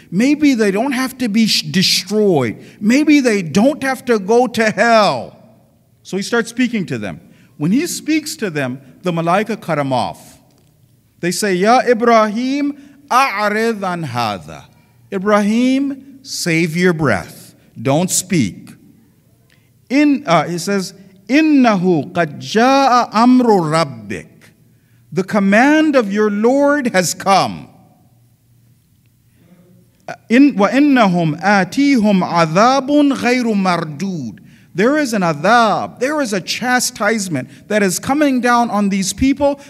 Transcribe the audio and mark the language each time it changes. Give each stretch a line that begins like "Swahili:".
English: Maybe they don't have to be destroyed. Maybe they don't have to go to hell. So he starts speaking to them. When he speaks to them, the malaika cut him off. They say,
Arabic: Ya Ibrahim, a'rid an hadha.
English: Ibrahim, save your breath. Don't speak. He says,
Arabic: إِنَّهُ قَدْ جَاءَ أَمْرُ رَبِّكَ.
English: The command of your Lord has come.
Arabic: وَإِنَّهُمْ آتِيهُمْ عَذَابٌ غَيْرُ مَرْدُودٌ.
English: There is an adab. There is a chastisement that is coming down on these people.